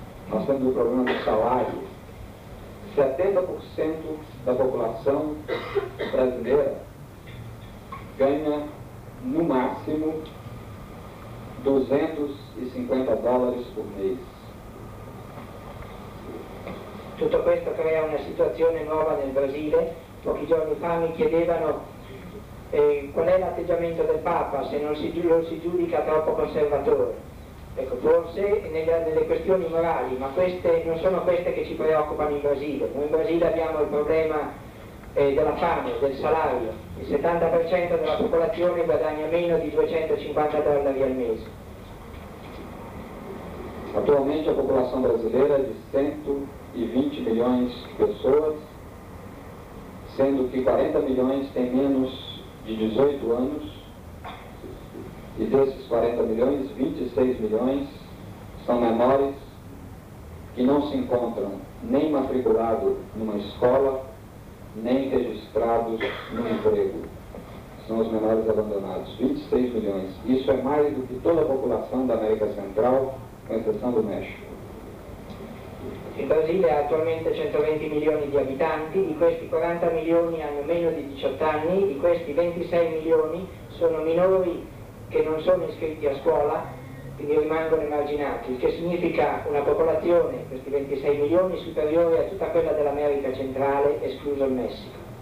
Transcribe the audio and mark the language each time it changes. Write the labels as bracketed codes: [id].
[pt] Nós temos o problema do salário. 70% da população brasileira ganha, no máximo, 250 dólares por mês. [it] Tutto questo crea una situazione nuova nel Brasile. Pochi giorni fa mi chiedevano qual è l'atteggiamento del Papa se non si giudica troppo conservatore. Ecco, forse nelle questioni morali, ma queste non sono queste che ci preoccupano in Brasile. Noi in Brasile abbiamo il problema della fame, del salario. Il 70% della popolazione guadagna meno di 250 dollari al mese. Attualmente la popolazione brasileira è di 120 milioni di persone, sendo che 40 milioni hanno meno di 18 anni. [pt] E desses 40 milhões, 26 milhões são menores que não se encontram nem matriculados numa escola, nem registrados no emprego. São os menores abandonados, 26 milhões. Isso é mais do que toda a população da América Central, com exceção do México. [it] Il Brasile ha attualmente 120 milioni di abitanti, di questi 40 milioni hanno meno di 18 anni, di questi 26 milioni sono minori che non sono iscritti a scuola, quindi rimangono emarginati, il che significa una popolazione, questi 26 milioni, superiore a tutta quella dell'America Centrale, escluso il Messico.